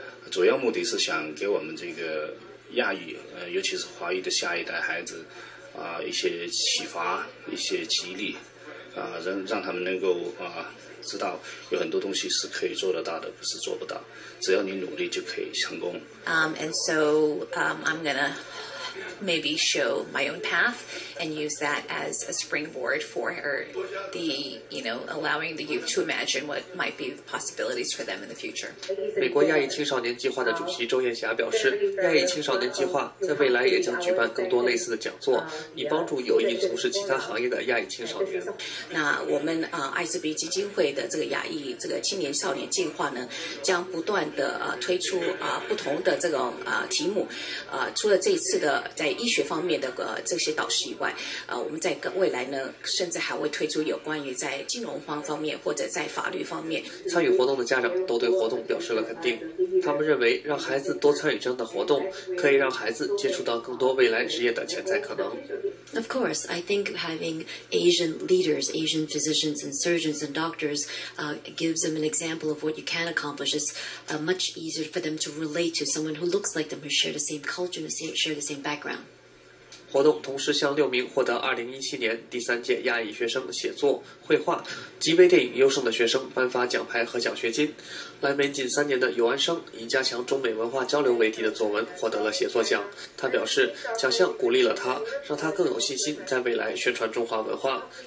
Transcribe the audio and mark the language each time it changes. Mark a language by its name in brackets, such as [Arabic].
[Chinese] 主要目的是想给我们这个亚裔尤其是华裔的下一代孩子一些启发，一些激励让他们能够知道有很多东西是可以做得到的，不是做不到，只要你努力就可以成功。 [English] I'm gonna maybe show my own path and use that as a springboard for the, you know, allowing the youth to imagine what might be the possibilities for them in the future. [Chinese] 美国亚裔青少年计划的主席周艳霞表示，亚裔青少年计划在未来也将举办更多类似的讲座，以帮助有意从事其他行业的亚裔青少年。那我们艾滋病基金会的这个亚裔这个青年少年计划呢，将不断的推出不同的这种题目，除了这一次的在医学方面的这些导师以外，我们在未来呢，甚至还会推出有关于在金融方面或者在法律方面。参与活动的家长都对活动表示了肯定，他们认为让孩子多参与这样的活动，可以让孩子接触到更多未来职业的潜在可能。 [English] Of course, I think having Asian leaders, Asian physicians and surgeons and doctors, gives them an example of what you can accomplish. It's much easier for them to relate to someone who looks like them, who share the same culture, who share the same background. [Chinese] 活动同时向六名获得2017年第三届亚裔学生写作、绘画及微电影优胜的学生颁发奖牌和奖学金。来美仅3年的尤安生以加强中美文化交流为题的作文获得了写作奖。他表示，奖项鼓励了他，让他更有信心在未来宣传中华文化。